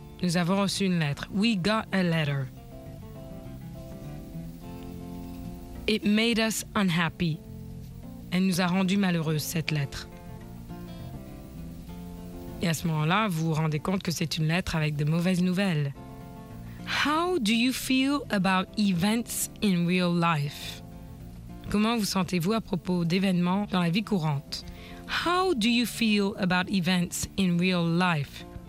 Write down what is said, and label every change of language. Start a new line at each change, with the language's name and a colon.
French: Nous avons reçu une lettre.
English: We got a letter. It made us unhappy.
French: Elle nous a rendu malheureuses, cette lettre. Et à ce moment-là, vous vous rendez compte que c'est une lettre avec de mauvaises nouvelles.
English: How do you feel about events in real life?
French: Comment vous sentez-vous à propos d'événements dans la vie courante?
English: How do you feel about events in real life?